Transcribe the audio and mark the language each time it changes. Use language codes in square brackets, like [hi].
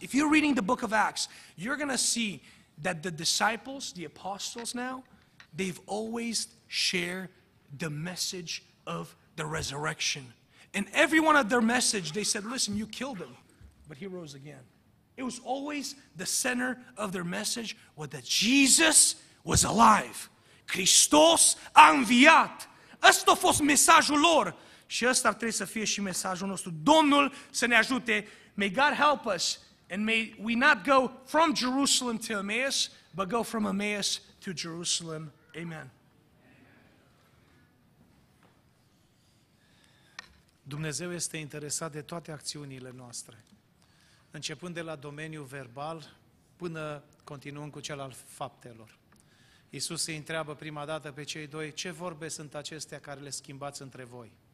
[en] If you're reading the book of Acts, you're going to see that the disciples, the apostles now, they've always shared the message of the resurrection. And every one of their message, they said, listen, you killed him, but he rose again. It was always the center of their message was that Jesus was alive. [ro] Christos a înviat. Ăsta a fost mesajul lor. Și ăsta ar trebui să fie și mesajul nostru. Domnul să ne ajute. [en] May God help us. And may we not go from Jerusalem to Emmaus, but go from Emmaus to Jerusalem. Amen. [ro] Dumnezeu este interesat de toate acțiunile noastre. Începând de la domeniul verbal, până continuăm cu cel al faptelor. Iisus îi întreabă prima dată pe cei doi, ce vorbe sunt acestea care le schimbați între voi?